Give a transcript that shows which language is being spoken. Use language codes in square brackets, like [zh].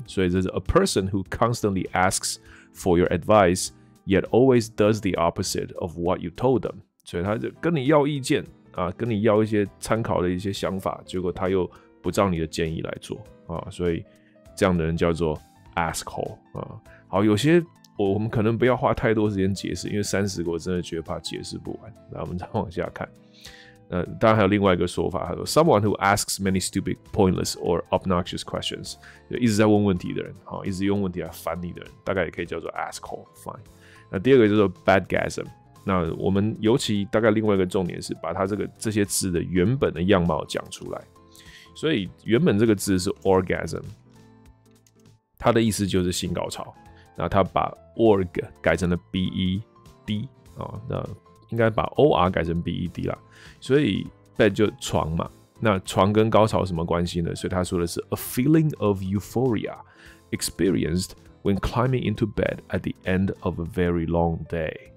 [zh] 所以这是 [en] a person who constantly asks for your advice yet always does the opposite of what you told them。 [zh] 所以他就跟你要意见啊，跟你要一些参考的一些想法，结果他又不照你的建议来做啊，所以这样的人叫做 asshole 啊。好，有些我们可能不要花太多时间解释，因为30个我真的觉得怕解释不完。那我们再往下看，当然还有另外一个说法，他说 [en] someone who asks many stupid, pointless or obnoxious questions， [zh] 就一直在问问题的人啊，一直用问题来烦你的人，大概也可以叫做 asshole。fine。那第二个叫做 badgasm。那我们尤其大概另外一个重点是把它这些字的原本的样貌讲出来。所以原本这个字是 orgasm， 它的意思就是性高潮。那它把 org 改成了 bed 啊、哦，那应该把 or 改成 bed 啦。所以 bed 就床嘛，那床跟高潮什么关系呢？所以他说的是 [en] a feeling of euphoria experienced when climbing into bed at the end of a very long day。